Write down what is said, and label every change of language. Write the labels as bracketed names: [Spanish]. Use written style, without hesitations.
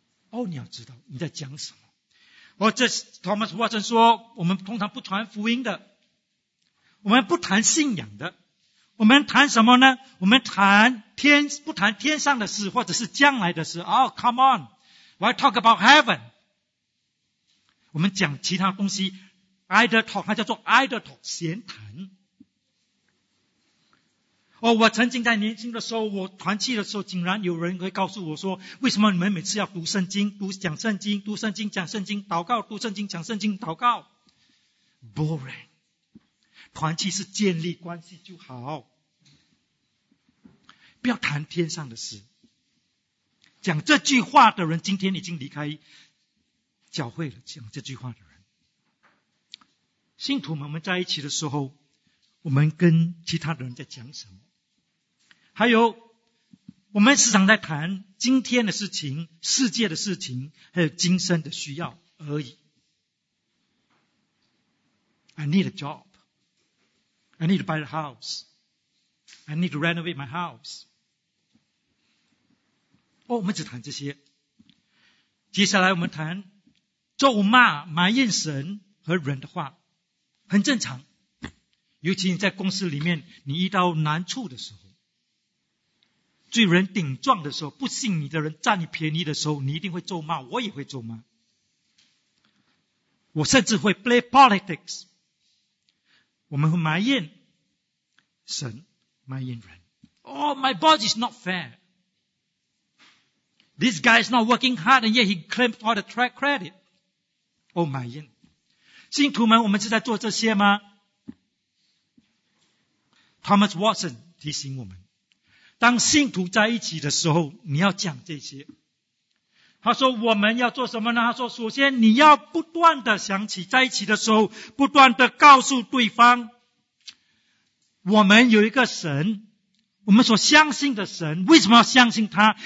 [Chinese] 哦，你要知道你在讲什么。我这 Thomas Watson 说，我们通常不传福音的，我们不谈信仰的，我们谈什么呢？我们谈天，不谈天上的事，或者是将来的事。 [English] Oh, come on, why talk about heaven? [Chinese] 我们讲其他东西 ， [English] idle talk， [Chinese] 它叫做 idle talk， 闲谈。 Oh, 我曾经在年轻的时候，我团契的时候，竟然有人会告诉我说，为什么你们每次要读圣经，读讲圣经，读圣经讲圣经，祷告，读圣经讲圣经，祷告 ，boring。团契是建立关系就好，不要谈天上的事。讲这句话的人今天已经离开教会了，讲这句话的人，信徒们，我们在一起的时候，我们跟其他的人在讲什么？还有我们时常在谈今天的事情，世界的事情，还有今生的需要而已。 [English] I need a job,I need to buy a house. I need to renovate my house. [Chinese] 哦，我们只谈这些。接下来我们谈咒骂、埋怨神和人的话，很正常。尤其你在公司里面，你遇到难处的时候，罪人顶撞的时候，不信你的人占你便宜的时候，你一定会咒骂，我也会咒骂。我甚至会 [English] play politics。 [Chinese] 我们会埋怨神，埋怨人。 [English] Oh, my boss is not fair. This guy is not working hard, and yet he claims all the track credit. [Chinese] Oh, 埋怨。信徒们，我们是在做这些吗？ Thomas Watson 提醒我们，当信徒在一起的时候，你要讲这些。他说我们要做什么呢？他说首先你要不断的想起在一起的时候，不断的告诉对方，我们有一个神，我们所相信的神，为什么要相信他？